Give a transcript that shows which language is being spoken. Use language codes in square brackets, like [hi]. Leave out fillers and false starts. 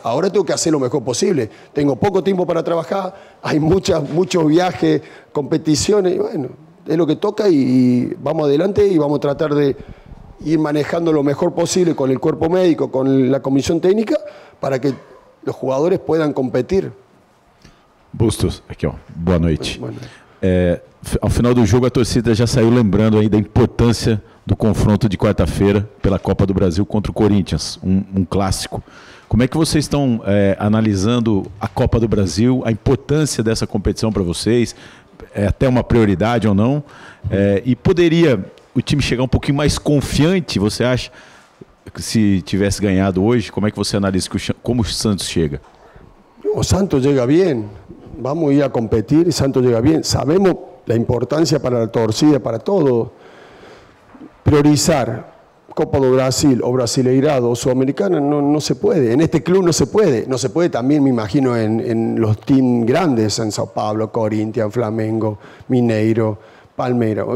[es] Ahora tengo que hacer lo mejor posible. Tengo poco tiempo para trabajar, hay muchos viajes, competiciones. Y bueno, es lo que toca y vamos adelante y vamos a tratar de ir manejando lo mejor posible con el cuerpo médico, con la comisión técnica, para que los jugadores puedan competir. [pt] Bustos, aqui ó, boa noite. Ao final do jogo a torcida já saiu lembrando aí da importância do confronto de quarta-feira pela Copa do Brasil contra o Corinthians, um clássico. Como é que vocês estão analisando a Copa do Brasil, a importância dessa competição para vocês, é até uma prioridade ou não? E poderia o time chegar um pouquinho mais confiante, você acha, se tivesse ganhado hoje? Como é que você analisa como o Santos chega? O Santos chega bem. [es] Vamos a ir a competir y Santos llega bien. Sabemos la importancia para la torcida, para todo. Priorizar Copa do Brasil o Brasileirado o Sudamericana no se puede. En este club no se puede. No se puede también, me imagino, en los teams grandes, en Sao Paulo, Corinthians, Flamengo, Mineiro, Palmeiras.